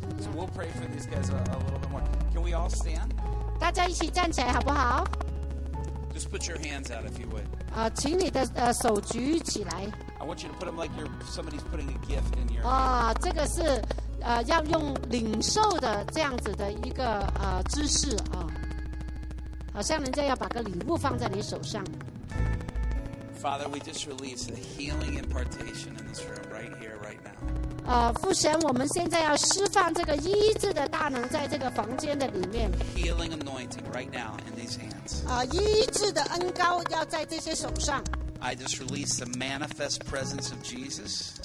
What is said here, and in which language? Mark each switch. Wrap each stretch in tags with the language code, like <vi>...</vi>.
<en>So we'll pray for these guys a little bit more. Can we all stand?</en> <zh>大家一起站起来好不好?</zh> <en>Just put your hands out if you would.</en> <zh>请你的手举起来。</zh> <en>I want you to put them like somebody's putting a gift in your hand.</en> <zh>这个是要用领受的这样子的一个姿势啊，好像人家要把个礼物放在你手上。</zh> <en>Father, we just release a healing impartation in this room right here, right now.</en> <zh>父神，我们现在要释放这个医治的大能在这个房间的里面。</zh> <en>Healing anointing right now in these hands.</en> <zh>医治的恩膏要在这些手上。</zh> <en>I just release the manifest presence of Jesus.</en>